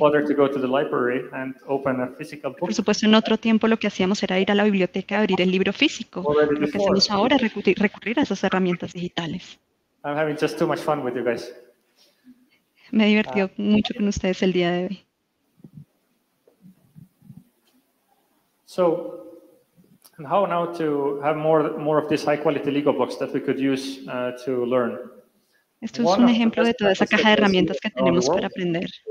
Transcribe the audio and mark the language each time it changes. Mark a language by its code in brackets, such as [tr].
[en] to go to the library and open a physical book. [es] Por supuesto, en otro tiempo lo que hacíamos era ir a la biblioteca a abrir el libro físico. Lo que hacemos ahora es recurrir a esas herramientas digitales. [en] I'm having just too much fun with you guys. [es] Me he divertido mucho con ustedes el día de hoy. [en] So, and how now to have more of these high quality Lego blocks that we could use to learn? [es] Esto es un ejemplo de toda esa caja de herramientas que tenemos para aprender.